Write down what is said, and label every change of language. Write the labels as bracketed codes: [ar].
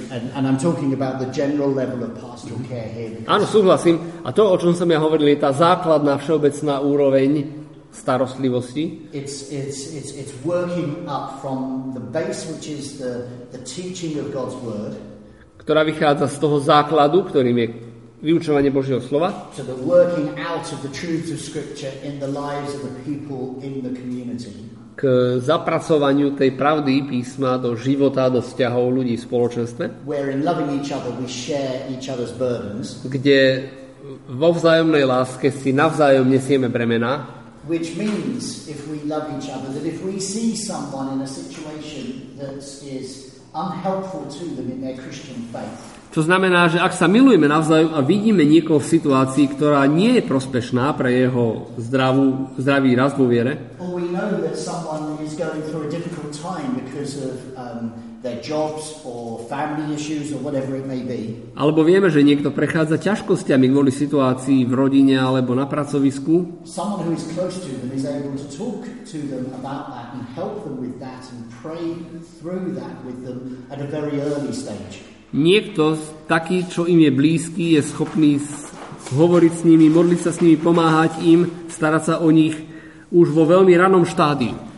[en] And I'm talking about the general level of pastoral care here. [sk] Áno, súhlasím. A to, o čom som ja hovoril, je tá základná všeobecná úroveň starostlivosti. [en] It's working up from the base, which is the teaching of God's word, [sk] ktorá vychádza z toho základu, ktorým je vyučovanie Božieho slova. [en] To the working out of the truths of scripture in the lives of the people in the community. [sk] K zapracovaniu tej pravdy písma do života, do vzťahov ľudí v spoločenstve. [en] Where in loving each other we share each other's burdens. [sk] Kde vo vzájomnej láske si navzájom nesieme bremena. [en] Which means if we love each other that if we see someone in a situation that is unhelpful to them in their Christian faith. [sk] To znamená, že ak sa milujeme navzájom a vidíme niekoho v situácii, ktorá nie je prospešná pre jeho zdravý rast vo viere, alebo vieme, že niekto prechádza ťažkosťami kvôli situácii v rodine alebo na pracovisku, [en] someone who is close to them is able to talk to them about that and help them with that and pray through that with them at a very early stage. [sk] Niekto taký, čo im je blízky, je schopný hovoriť s nimi, modliť sa s nimi, pomáhať im, starať sa o nich už vo veľmi ranom štádiu.